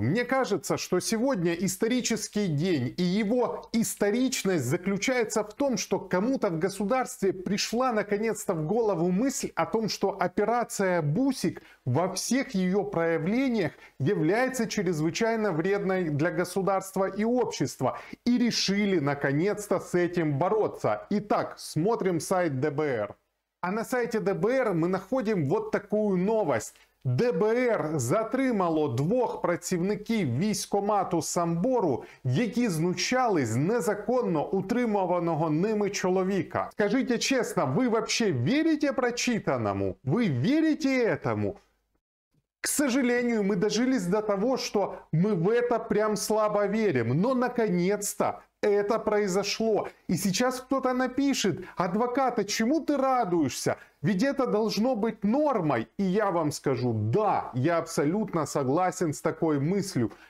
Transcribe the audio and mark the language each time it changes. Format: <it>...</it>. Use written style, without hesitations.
<ru>Мне кажется, что сегодня исторический день, и его историчность заключается в том, что кому-то в государстве пришла наконец-то в голову мысль о том, что операция «Бусик» во всех ее проявлениях является чрезвычайно вредной для государства и общества, и решили наконец-то с этим бороться. Итак, смотрим сайт ДБР. А на сайте ДБР мы находим вот такую новость.</ru> <uk>ДБР затримало двох працівників військомату Самбору, які знущали з незаконно утримуваного ними чоловіка. Скажіть чесно, ви вообще вірите прочитаному? Ви вірите этому?</uk> <ru>К сожалению, мы дожились до того, что мы в это прям слабо верим. Но наконец-то это произошло. И сейчас кто-то напишет: адвоката, чему ты радуешься? Ведь это должно быть нормой. И я вам скажу, да, я абсолютно согласен с такой мыслью.</ru>